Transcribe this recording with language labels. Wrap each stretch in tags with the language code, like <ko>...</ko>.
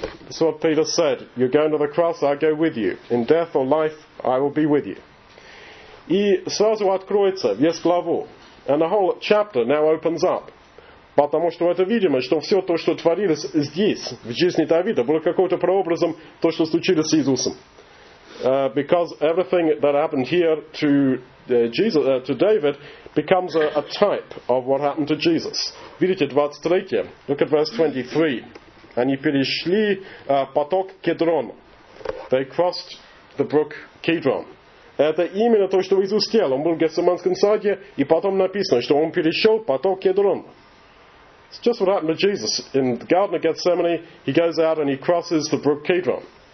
<en>So Peter said, you're going to the cross, I'll go with you. In death or life, I will be with you.</en> <ru>И сразу откроется весь главу.</ru> <en>And the whole chapter now opens up.</en> <ru>Потому что это видимо, что все то, что творилось здесь, в жизни Давида, было какой-то прообразом то, что случилось с Иисусом.</ru> <en>Because everything that happened here to Jesus, to David, becomes a type of what happened to Jesus.</en> <ru>Видите, 23,</ru> <en>look at verse 23.</en> <ru>Они перешли поток Кедрон.</ru> <en>They crossed the brook Kidron.</en> <ru>Это именно то, что Иисус сделал. Он был в Гефсиманском саде, и потом написано, что он перешел поток Кедрон.</ru> <en>It's just what happened to Jesus. In the Garden of Gethsemane, he goes out and he crosses the brook Kidron.</en>